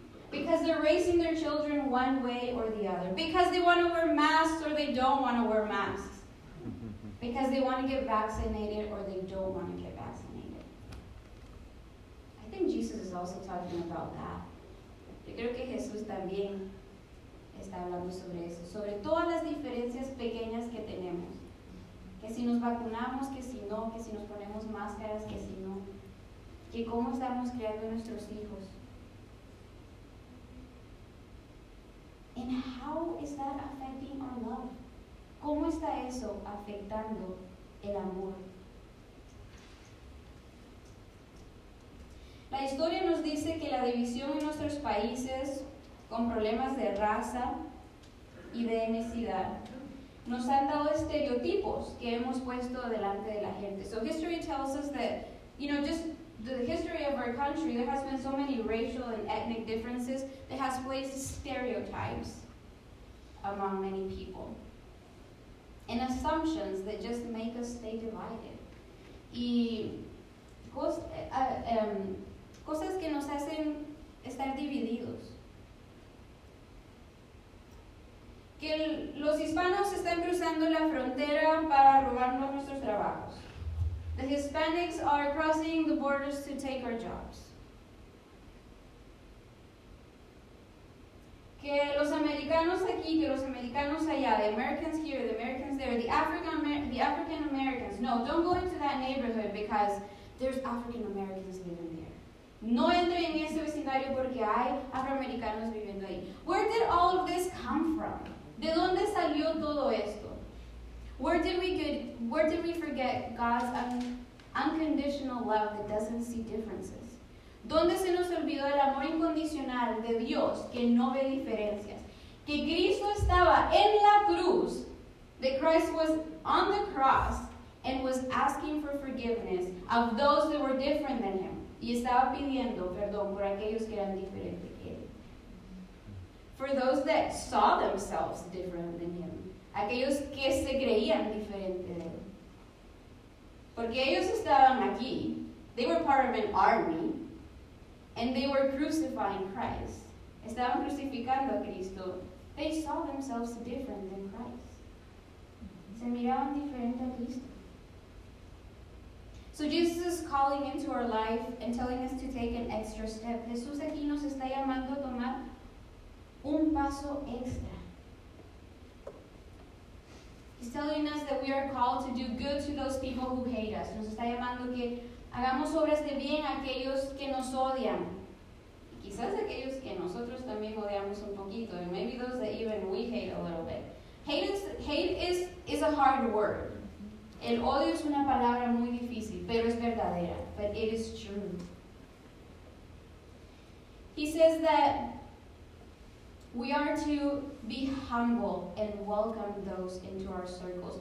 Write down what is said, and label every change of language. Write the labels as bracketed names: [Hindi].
[English] Because they're raising their children one way or the other. Because they want to wear masks or they don't want to wear masks. Because they want to get vaccinated or they don't want to get vaccinated. I think Jesus is also talking about that. [Spanish] Yo creo que Jesús también está hablando sobre eso, sobre todas las diferencias pequeñas que tenemos. Que si nos vacunamos, que si nos ponemos máscaras, que si no. Que cómo estamos criando a nuestros hijos. [English] And how is that affecting our love? [Spanish] ¿Cómo está eso afectando el amor? La historia nos dice que la división en nuestros países con problemas de raza y de etnicidad nos han dado estereotipos que hemos puesto delante de la gente. [English] So history tells us that, you know, just the history of our country, there has been so many racial and ethnic differences that has placed stereotypes among many people. And assumptions that just make us stay divided. [Spanish] Y cosas que nos hacen estar divididos. Que los hispanos están cruzando la frontera para robarnos nuestros trabajos. [English] The Hispanics are crossing the borders to take our jobs. [Spanish] Que los americanos aquí, que los americanos allá, [English] the Americans here, the Americans there, the African Americans. No, don't go into that neighborhood because there's African Americans living there. [Spanish] No entre en ese vecindario porque hay afroamericanos viviendo ahí. [English] Where did all of this come from? [Spanish] ¿De dónde salió todo esto? [English] Where did we forget God's unconditional love that doesn't see differences? [Spanish] ¿Dónde se nos olvidó el amor incondicional de Dios que no ve diferencias? Que Cristo estaba en la cruz, [English] that Christ was on the cross and was asking for forgiveness of those that were different than him. [Spanish] Y estaba pidiendo perdón por aquellos que eran diferentes que él. [English] For those that saw themselves different than him. [Spanish] Aquellos que se creían diferente de él. Porque ellos estaban aquí. [English] They were part of an army. And they were crucifying Christ. [Spanish] Estaban crucificando a Cristo. [English] They saw themselves different than Christ. [Spanish] Se miraban diferente a Cristo. [English] So Jesus is calling into our life and telling us to take an extra step. [Spanish] Jesús aquí nos está llamando a tomar un paso extra. [English] He's telling us that we are called to do good to those people who hate us. [Spanish] Nos está llamando que hagamos obras de bien a aquellos que nos odian. Y quizás aquellos que nosotros también odiamos un poquito. [English] And maybe those that even we hate a little bit. Hate is a hard word. [Spanish] El odio es una palabra muy difícil, pero es verdadera. [English] But it is true. He says that we are to be humble and welcome those into our circles.